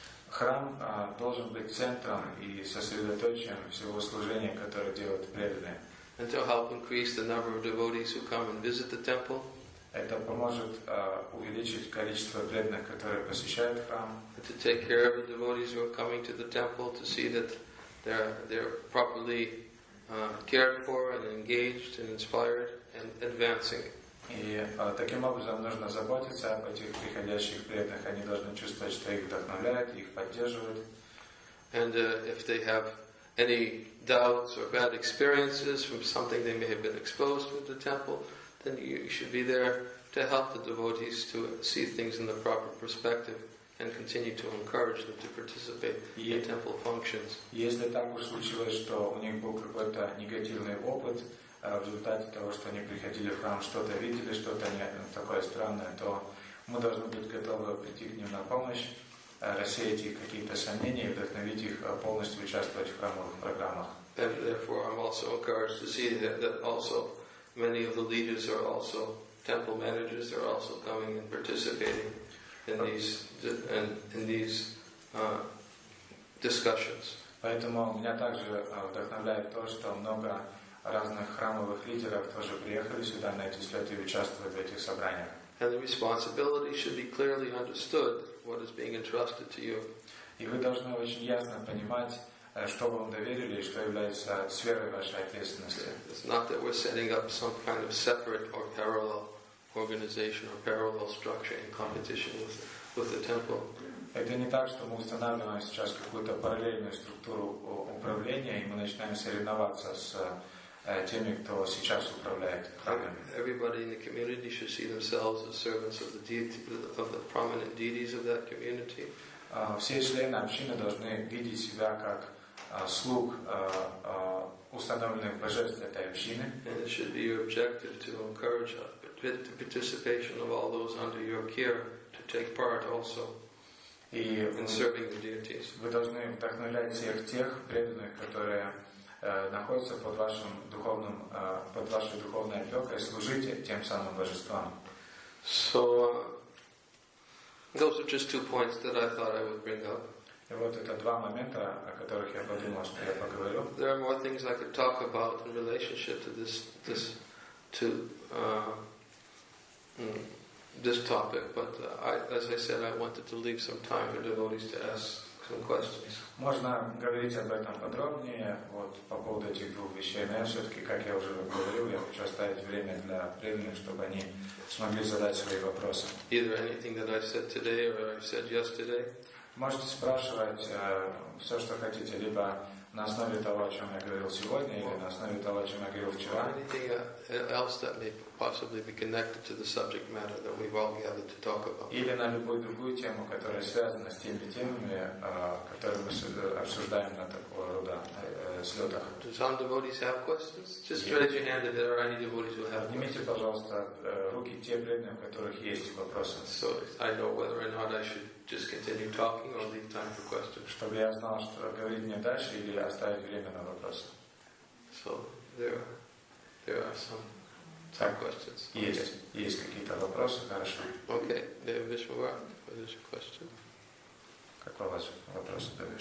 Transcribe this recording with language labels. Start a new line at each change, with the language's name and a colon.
Russian: Храм должен быть центром и сосредоточением всего служения, которое делают преданные.
English: And to help increase the number of devotees who come and visit the temple.
Russian: Это поможет увеличить количество преданных, которые посещают храм.
English: And to take care of the devotees who are coming to the temple to see that they're properly cared for and engaged and inspired and advancing.
Russian: И таким образом нужно заботиться об этих приходящих преданных. Они должны чувствовать, что их вдохновляют, их поддерживают.
English: And if they have any doubts or bad experiences from something they may have been exposed to the temple, then you should be there to help the devotees to see things in the proper perspective and continue to encourage them to participate in temple functions.
Russian: Если так уж случилось, что у них был какой-то негативный опыт в результате того, что они приходили в храм, что-то видели, что-то такое странное, то мы должны быть готовы прийти к ним на помощь, рассеять их какие-то сомнения и вдохновить их полностью участвовать в храмовых программах.
English: And therefore I'm also encouraged to see that also many of the leaders are also temple managers, they're also coming and participating in these discussions.
Russian: Поэтому меня также вдохновляет то, что много разных храмовых лидеров тоже приехали сюда на эти слеты и участвуют в этих собраниях.
English: And the responsibility should be clearly understood what is being entrusted to you.
Russian: И вы должны очень ясно понимать, что вам доверили и что является сферой вашей ответственности.
English: It's not that we're setting up some kind of separate or parallel organization or parallel structure in competition with the temple.
Russian: Это не так, что мы устанавливаем сейчас какую-то параллельную структуру управления и мы начинаем соревноваться с теми, кто сейчас управляет храмами.
English: Everybody in the community should see themselves as servants of the deity, of the prominent deities of that community.
Russian: Все члены общины должны видеть себя как слуг установленных божеств этой общины.
English: And it should be your objective to encourage the participation of all those under your care to take part also in serving the deities.
Russian: Вы должны вдохновлять всех тех преданных, которые находится под вашим духовным под вашей духовной опекой, служите тем самым божествам.
English: So those are just two points that I thought I would bring up.
Russian: И вот это два момента, о которых я подумал, что я поговорю.
English: There are more things I could talk about in relationship to this topic, but as I said, I wanted to leave some time for devotees to ask some questions.
Russian: Можно говорить об этом подробнее, вот по поводу этих двух вещей. Но я все-таки, как я уже говорил, я хочу оставить время для преданных, чтобы они смогли задать свои вопросы.
English: Either anything that I've said today or I've said yesterday.
Russian: Можете спрашивать все, что хотите, либо на основе того, о чем я говорил сегодня, или на основе того, о чем я говорил вчера.
English: Anything else that may possibly be connected to the subject matter that we've all gathered to talk about.
Russian: Или на любую другую тему, которая связана с теми темами, которые мы обсуждаем на такого рода слетах.
English: Do some devotees have questions? Just raise your hand if there are any devotees who have.
Russian: Поднимите, пожалуйста, руки те преданные, у которых есть вопросы.
English: So I know whether or not I should just continue talking or leave time for questions.
Russian: Чтобы я знал, что говорить мне дальше или оставить время на вопросы.
English: So there are some. Some questions. Yes. Okay.
Russian: Есть какие-то вопросы? Хорошо.
English: Okay. Дэвид Вишмавар, what is your question?
Russian: Как у вас вопросы, Дэвид Вишмавар?